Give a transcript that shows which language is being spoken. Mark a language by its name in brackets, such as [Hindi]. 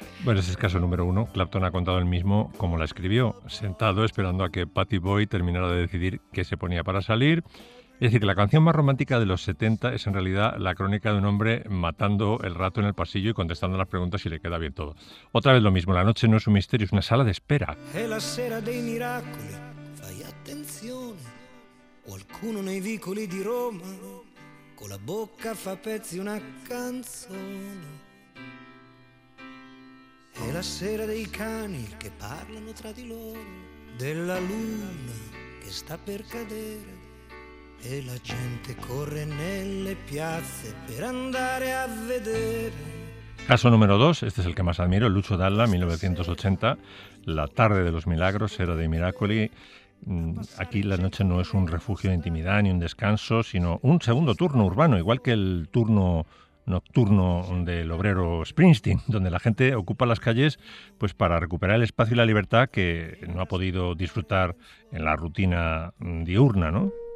[Spanish] Bueno, ese es caso número uno. Clapton ha contado el mismo como la escribió, sentado esperando a que Patty Boy terminara de decidir qué se ponía para salir. Es decir, que la canción más romántica de los 70 es en realidad la crónica de un hombre matando el rato en el pasillo y contestando las preguntas si le queda bien todo. Otra vez lo mismo, la noche no es un misterio, es una sala de espera. [Italian] È la sera dei miracoli, fai attenzione. Qualcuno nei vicoli di Roma, con la bocca fa pezzi una canzone. È la sera dei cani che parlano tra di loro, della luna che sta per cadere. E la gente corre nelle piazze per andare a vedere. [Spanish] Caso número 2, este es el que más admiro, Lucio Dalla, 1980, La tarde de los milagros, [Italian] era de Miracoli. [Spanish] Aquí la noche no es un refugio de intimidad ni un descanso, sino un segundo turno urbano, igual que el turno nocturno del obrero Springsteen, donde la gente ocupa las calles pues para recuperar el espacio y la libertad que no ha podido disfrutar en la rutina diurna, ¿no?